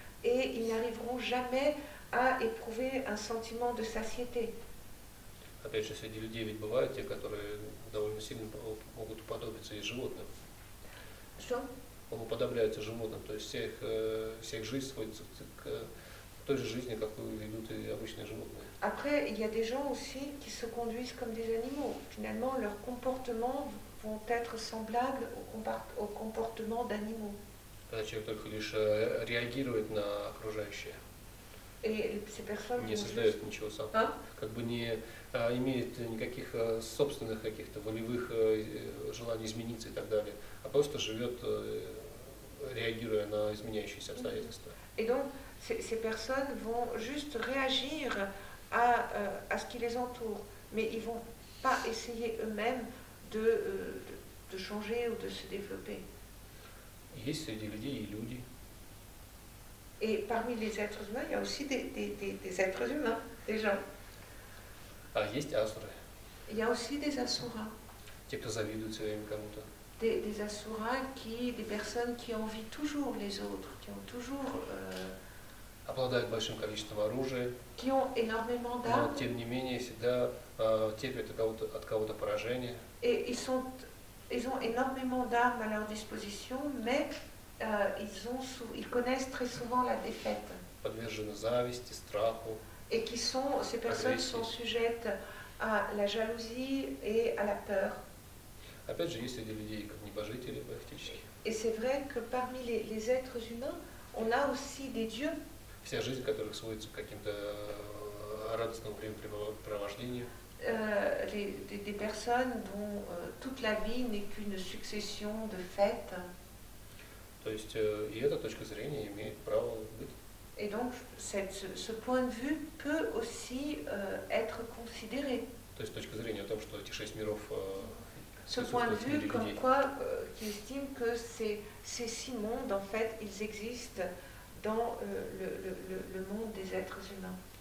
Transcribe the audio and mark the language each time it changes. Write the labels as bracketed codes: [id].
[fr] Et ils n'arriveront jamais à éprouver un sentiment de satiété. [ru] Опять же, среди людей ведь бывают те, которые довольно сильно могут уподобиться и животным. Что? Уподобляются животным, то есть всех жизнь сводится к той же жизни, как ведут и обычные животные. [fr] Après, il y a des gens aussi qui se conduisent comme des animaux. Finalement, leurs comportements vont être semblables au comportement d'animaux. [ru] Когда человек только лишь реагирует на окружающее, не создает ничего сам, как бы не имеет никаких собственных каких-то волевых желаний измениться и так далее, а просто живет, реагируя на изменяющиеся обстоятельства. И [fr] donc ces personnes vont juste réagir à ce qui les entoure, mais ils vont pas essayer eux-mêmes de changer ou de se développer. [ru] Есть среди людей и люди. И [fr] parmi les êtres humains, il y a aussi des êtres humains, des gens. [ru] А есть асуры. [fr] Il y a aussi des асура. [ru] Те, кто завидуют все время кому-то. [fr] Des асура, des personnes qui envient toujours les autres, qui ont toujours. [ru] Обладают большим количеством оружия. [fr] Qui ont énormément d'armes. [ru] Но тем не менее всегда терпят от кого-то поражение. [fr] Et ils sont Ils ont énormément d'armes à leur disposition, mais ils connaissent très souvent la défaite. [ru] подвержены зависти, страху. [fr] Et qui sont, ces personnes sont sujettes à la jalousie et à la peur. [ru] Опять же, есть для людей как небожители практически. [fr] Et c'est vrai que parmi les êtres humains, on a aussi des dieux. [ru] Вся жизнь, которых сводится к каким-то радостным времяпрепровождениям. [fr] Des personnes dont toute la vie n'est qu'une succession de fêtes. [ru] То есть и эта точка зрения имеет право быть. [fr] Et donc ce point de vue peut aussi être considéré. [ru] То есть точка зрения о том, что эти шесть миров. [fr] Ce point de vue comme quoi qui estime que ces six mondes en fait ils existent dans le monde des êtres humains.